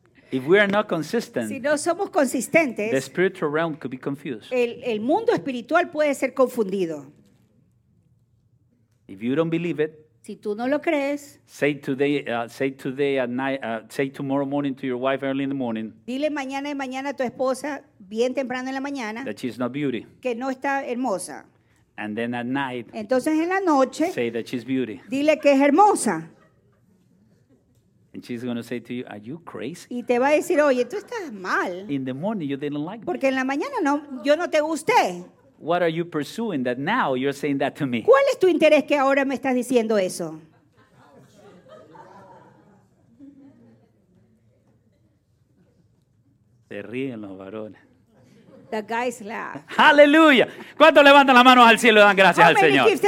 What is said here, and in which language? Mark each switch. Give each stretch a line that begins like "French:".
English: If we are not consistent,
Spanish: si no somos consistentes,
English: the spiritual realm could be confused.
Spanish: El mundo espiritual puede ser confundido.
English: If you don't believe it,
Spanish: si tú no lo crees,
English: say tomorrow morning to your wife early in the morning.
Spanish: Dile mañana y mañana a tu esposa bien temprano en la mañana.
English: That she's not beauty.
Spanish: Que no está hermosa.
English: And then at night.
Spanish: Entonces en la noche.
English: Say that she's beauty.
Spanish: Dile que es hermosa.
English: And she's going to say to you, "Are you crazy?"
Spanish: Y te va a decir, "Oye, tú estás mal."
English: In the morning you didn't like me.
Spanish: Porque en la mañana no, yo no te gusté.
English: What are you pursuing that now you're saying that to me?
Spanish: ¿Cuál es tu interés que ahora me estás diciendo eso? Se ríen los varones.
English: The guys laugh. Hallelujah.
Spanish: ¿Cuántos levantan las manos al cielo y dan gracias al Señor?